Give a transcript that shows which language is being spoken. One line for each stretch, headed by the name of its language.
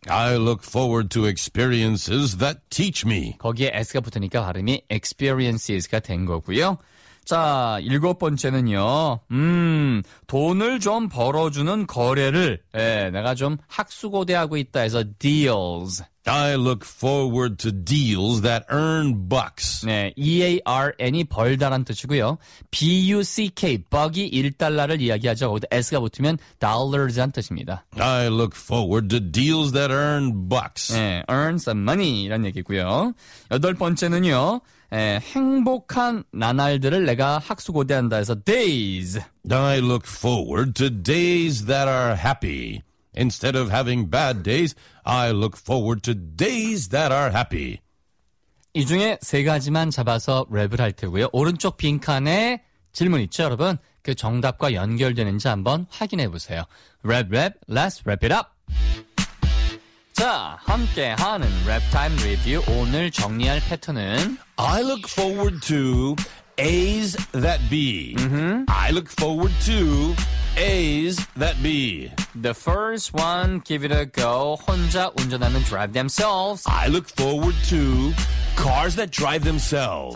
English: I look forward to experiences that teach me.
Korean: 거기에 s가 붙으니까 발음이 experiences가 된 거고요. 자, 일곱 번째는요. 돈을 좀 벌어주는 거래를 내가 좀 학수고대하고 있다 해서 deals.
English: I look forward to deals that earn bucks.
Korean: 네, E-A-R-N이 벌다란 뜻이고요. B-U-C-K, bug이 1달러를 이야기하죠. 거기다 S가 붙으면 dollars란 뜻입니다.
English: I look forward to deals that earn bucks.
Korean: 네,
English: earn some money
Korean: 란 얘기고요. 여덟 번째는요. 네, 행복한 나날들을 내가 학수고대한다 해서 days.
English: I look forward to days that are happy. Instead of having bad days, I look forward to days that are happy.
Korean: 이 중에 세 가지만 잡아서 랩을 할 테고요. 오른쪽 빈칸에 질문 있죠, 여러분? 그 정답과 연결되는지 한번 확인해 보세요.
English: Rap, rap, let's wrap it up.
Korean: 자, 함께하는 랩 타임 리뷰. 오늘 정리할 패턴은
English: I look forward to A's that be. Mm-hmm. I look forward to A's that be. The first one, give it a go.
Korean: 혼자 운전하는
English: drive themselves. I look forward to cars that drive themselves.